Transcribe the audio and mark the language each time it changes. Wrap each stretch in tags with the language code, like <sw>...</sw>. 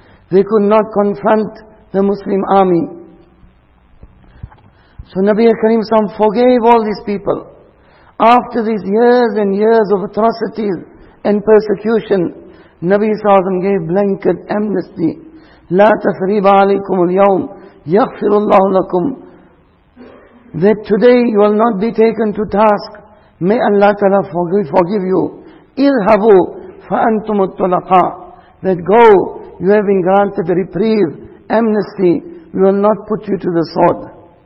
<en>They could not confront the Muslim army. So Nabi Karim Sam forgave all these people. After these years and years of atrocities and persecution, Nabi Sallam gave blanket amnesty.</en> <ar>لا تثريب عليكم اليوم يغفر الله لكم.</ar> <en>That today you will not be taken to task. May Allah Ta'ala forgive you.</en> <ar>اذهبوا فأنتم الطلقاء.</ar> <en>That go, you have been granted a reprieve, amnesty. We will not put you to the sword.</en>